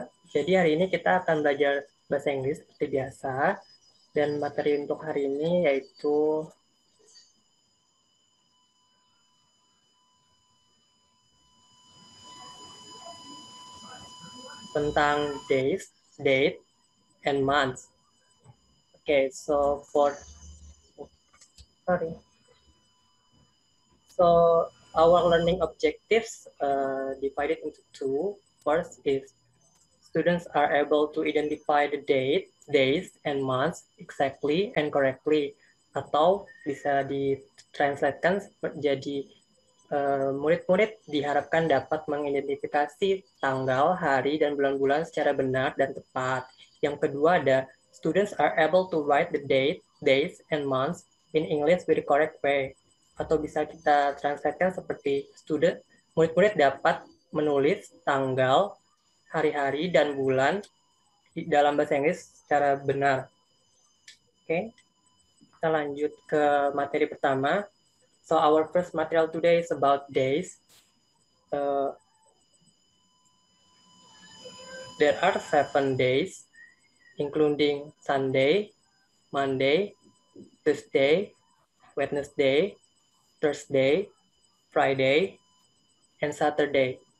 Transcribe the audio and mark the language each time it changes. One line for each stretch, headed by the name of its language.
Indonesian: Jadi hari ini kita akan belajar bahasa Inggris seperti biasa. Dan materi untuk hari ini yaitu tentang
English: days, date, and months. Okay, so So our learning objectives divided into two. First is students are able to identify the date, days, and months exactly and correctly.
Indonesian: Atau bisa ditranslatekan jadi murid-murid diharapkan dapat mengidentifikasi tanggal, hari, dan bulan-bulan secara benar dan tepat. Yang kedua ada
English: students are able to write the date, days, and months in English with the correct way.
Indonesian: Atau bisa kita translatekan seperti student, murid-murid dapat menulis tanggal, hari-hari, dan bulan dalam bahasa Inggris secara benar. Oke, kita lanjut ke materi pertama.
English: So, our first material today is about days. There are 7 days, including Sunday, Monday, Tuesday, Wednesday, Thursday, Friday, and Saturday.